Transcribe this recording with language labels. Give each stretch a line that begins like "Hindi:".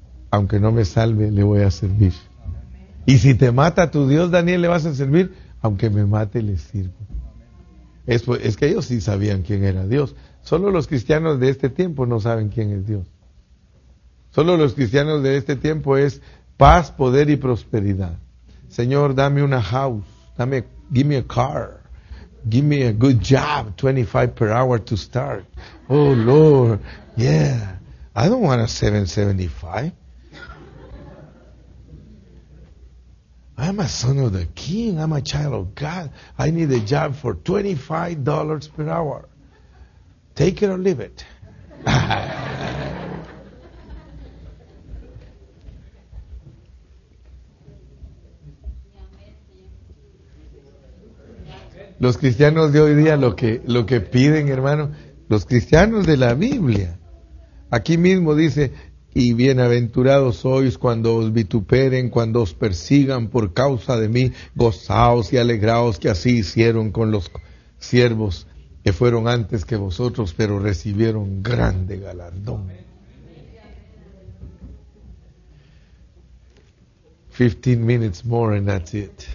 Spanish: Aunque no me salve, le voy a servir. Y si te mata tu Dios, Daniel, le vas a servir, aunque me mate, le sirvo. Es que ellos sí sabían quién era Dios. Solo los cristianos de este tiempo no saben quién es Dios. Solo los cristianos de este tiempo es paz, poder y prosperidad. Señor, dame una
English: house, give me a car, give me a good job, 25 per hour to start. Oh, Lord, yeah, I don't want a 775. I'm a son of the king. I'm a child of God. I need a job for $25 per hour. Take it or leave it.
Spanish: Los cristianos de hoy día lo que piden, hermano, los cristianos de la Biblia. Aquí mismo dice: y bienaventurados sois cuando os vituperen, cuando os persigan por causa de mí, gozaos y alegraos, que así hicieron con los siervos que fueron antes que vosotros, pero recibieron grande galardón.
English: 15 minutes more and that's it.